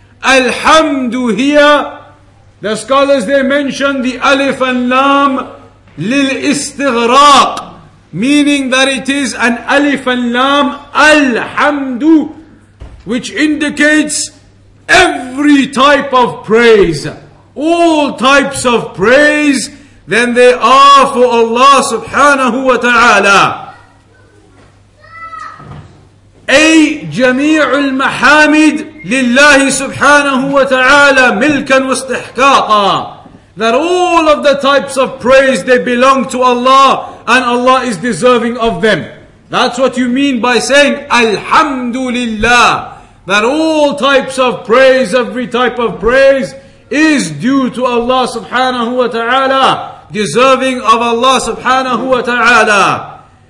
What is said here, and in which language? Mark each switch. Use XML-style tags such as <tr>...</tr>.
<en>Alhamdu here, the scholars, they mention the alif and lam lil istighraq, meaning that it is an alif and lam alhamdu, which indicates every type of praise, all types of praise, then they are for Allah subhanahu wa ta'ala.</en> <ar>أي جميع المحامد لله سبحانه وتعالى ملكا واستحقاقا.</ar> <en>That all of the types of praise, they belong to Allah, and Allah is deserving of them. That's what you mean by saying Alhamdulillah. That all types of praise, every type of praise, is due to Allah subhanahu wa ta'ala, deserving of Allah subhanahu wa ta'ala.</en>